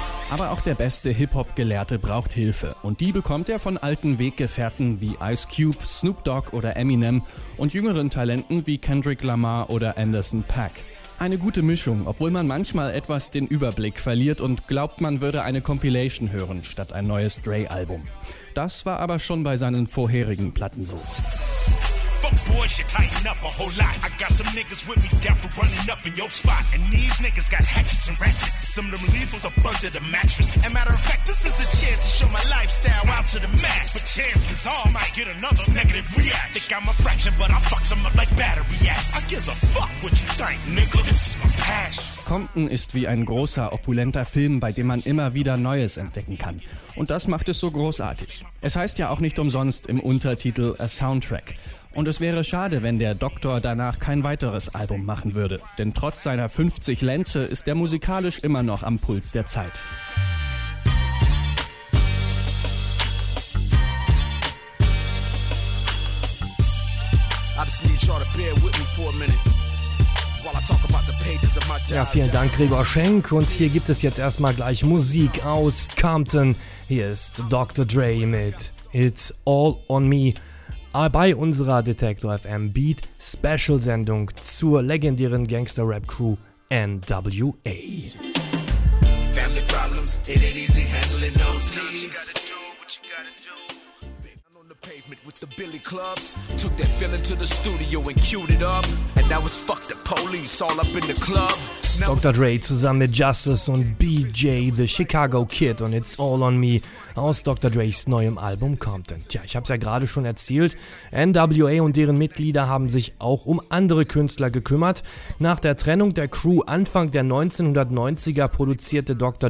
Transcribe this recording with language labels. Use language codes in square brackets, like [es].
[de] Aber auch der beste Hip-Hop-Gelehrte braucht Hilfe. Und die bekommt er von alten Weggefährten wie Ice Cube, Snoop Dogg oder Eminem und jüngeren Talenten wie Kendrick Lamar oder Anderson .Paak. Eine gute Mischung, obwohl man manchmal etwas den Überblick verliert und glaubt, man würde eine Compilation hören, statt ein neues Dre-Album. Das war aber schon bei seinen vorherigen Platten so. [en] Coke boys should tighten up a whole lot. I got some niggas with me down for running up in your spot. And these niggas got hatchets and ratchets. Some of them lethals up under the mattress. And matter of fact, this is a chance to show my lifestyle out to the mass. But chances are I might get another negative react. Think I'm a fraction, but I fuck some up like battery ass. I gives a fuck what you think, nigga. This is my passion. [de] Compton ist wie ein großer, opulenter Film, bei dem man immer wieder Neues entdecken kann. Und das macht es so großartig. Es heißt ja auch nicht umsonst im Untertitel A Soundtrack. Und es wäre schade, wenn der Doktor danach kein weiteres Album machen würde. Denn trotz seiner 50 Länze ist er musikalisch immer noch am Puls der Zeit. Ja, vielen Dank, Gregor Schenk. Und hier gibt es jetzt erstmal gleich Musik aus Compton. Hier ist Dr. Dre mit It's All On Me bei unserer Detektor FM Beat Special Sendung zur legendären Gangster Rap Crew NWA. [en] Family problems, it ain't easy handling those needs. With the billy clubs, took that feeling to the studio and queued it up, and now it's fuck the police all up in the club. [de] Dr. Dre zusammen mit Justice und BJ the Chicago Kid und It's All On Me aus Dr. Dres neuem Album Compton. Tja, ich hab's ja gerade schon erzählt, NWA und deren Mitglieder haben sich auch um andere Künstler gekümmert. Nach der Trennung der Crew Anfang der 1990er produzierte Dr.